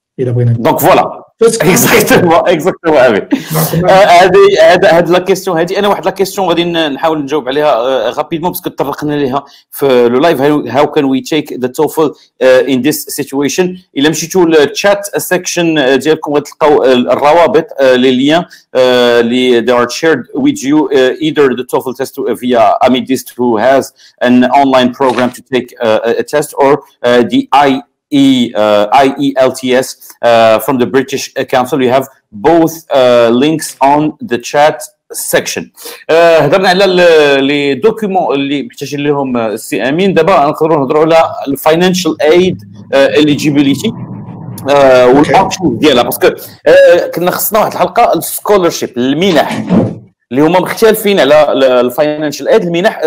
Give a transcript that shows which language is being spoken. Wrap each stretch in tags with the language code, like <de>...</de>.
<ar>الى بغينا دونك</ar> <fr>فوالا اكزاكتومون</fr> <ar>ابي هذه هاد لا كيسيون هادي انا واحد لا كيسيون غادي نحاول نجاوب عليها</ar> <fr>رابيدمون باسكو</fr> <ar>تطرقنا ليها في لو لايف</ar> <en>how can we take the TOEFL in this situation</en> <ar>الا مشيتو للتشات سيكشن ديالكم غتلقاو الروابط</ar> <en>لي ليان لي they are shared with you either the TOEFL test via Amideast who has an online programme to take a test or the اي IELTS from the British Council. You have both links on the chat section.</en> <ar>هضرنا على لي دوكيومون اللي محتاجين لهم السي امين. دابا نقدروا نهضروا على</ar> <en>الفاينانشال ايد اليجيبيليتي</en> <ar>والاوبشن ديالها باسكو كنا خصنا واحد الحلقه السكولرشيب المنح اللي هما مختلفين على الفاينانشال ايد المنح.</ar>